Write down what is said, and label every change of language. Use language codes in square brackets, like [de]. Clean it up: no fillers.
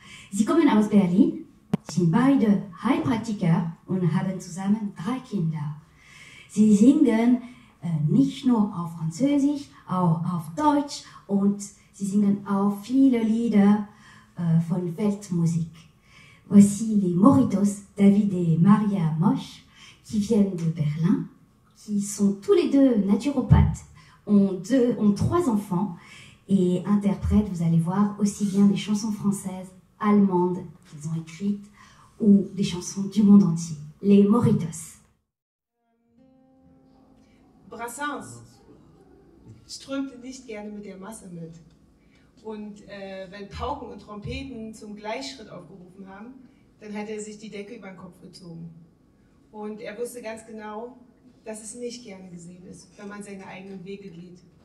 [de] Sie kommen aus Berlin, sind beide Heilpraktiker und haben zusammen 3 Kinder. Sie singen nicht nur auf Französisch, auch auf Deutsch und sie singen auch viele Lieder von Weltmusik. [fr] Voici les Moritos, David et Maria Moch, qui viennent de Berlin, qui sont tous les deux naturopathes. Ont 3 enfants et interprètent, vous allez voir, aussi bien des chansons françaises, allemandes qu'ils ont écrites ou des chansons du monde entier. Les Moritos. [de] Brassens strömt nicht gerne mit der Masse mit. Und wenn Pauken und Trompeten zum Gleichschritt aufgerufen haben, dann hat er sich die Decke über den Kopf gezogen. Und er wusste ganz genau, dass es nicht gerne gesehen ist, wenn man seine eigenen Wege geht.